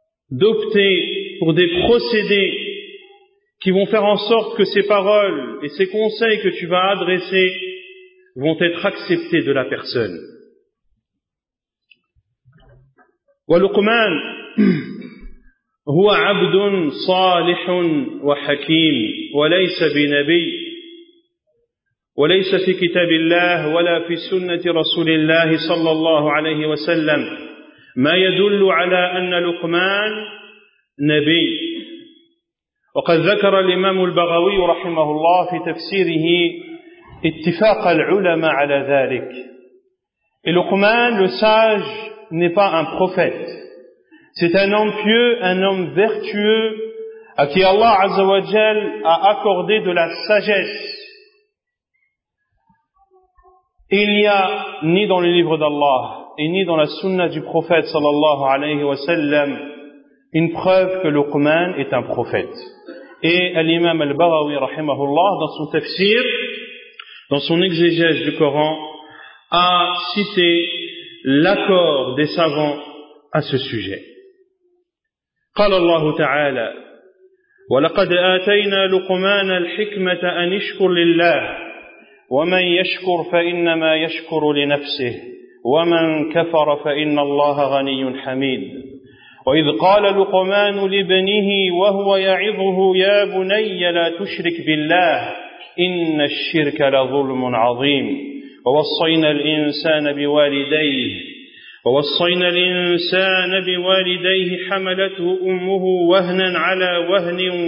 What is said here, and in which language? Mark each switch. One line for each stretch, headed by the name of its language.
French: d'opter pour des procédés qui vont faire en sorte que ces paroles et ces conseils que tu vas adresser vont être acceptés de la personne.
Arabic: Waluqman هو عبد صالح وحكيم وليس بنبي وليس في كتاب الله ولا في سنة رسول الله صلى الله عليه وسلم ما يدل على أن لقمان نبي. وقد ذكر الإمام البغوي رحمه الله في تفسيره اتفاق العلماء على ذلك.
French: لقمان le sage n'est pas un prophète. C'est un homme pieux, un homme vertueux, à qui Allah Azza wa Jal a accordé de la sagesse. Il n'y a ni dans le livre d'Allah, et ni dans la sunna du prophète
Arabic: sallallahu alayhi wa sallam,
French: une preuve que Luqman est un prophète. Et l'imam al-Baghawi rahimahullah, dans son tafsir, dans son exégèse du Coran, a cité l'accord des savants à ce sujet.
Arabic: قال الله تعالى ولقد آتينا لقمان الحكمة أن يشكر لله ومن يشكر فإنما يشكر لنفسه ومن كفر فإن الله غني حميد وإذ قال لقمان لابنه وهو يعظه يا بني لا تشرك بالله إن الشرك لظلم عظيم ووصينا الإنسان بوالديه ووصينا الإنسان بوالديه حملته أمه وهنا على وهن